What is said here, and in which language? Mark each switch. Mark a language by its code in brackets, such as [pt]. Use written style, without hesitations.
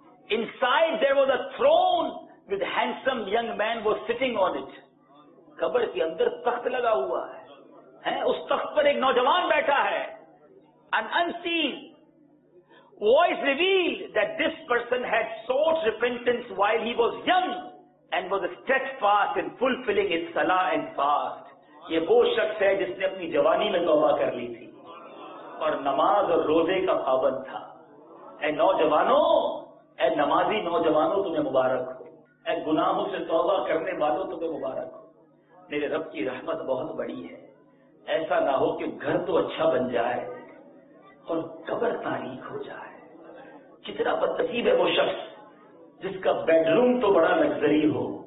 [en] Inside there was a throne with handsome young man was sitting on it. [ur] قبر کے اندر تخت لگا ہوا ہے, اس تخت پر ایک نوجوان بیٹھا ہے. [en] An unseen voice revealed that this person had sought repentance while he was young and was steadfast in fulfilling his salah and fast. [ur] یہ وہ شخص ہے جس نے اپنی جوانی میں توبہ کر لی تھی اور نماز اور روزے کا پابند تھا, اے نوجوانوں، اے نمازی نوجوانوں تمہیں مبارک ہو، اے گناہوں سے توبہ کرنے والوں تمہیں مبارک ہو، میرے رب کی رحمت بہت بڑی ہے، ایسا نہ ہو کہ گھر تو اچھا بن جائے اور قبر تاریخ ہو جائے۔ کتنا بدنصیب ہے وہ شخص جس کا بیڈ روم تو بڑا لگژری ہو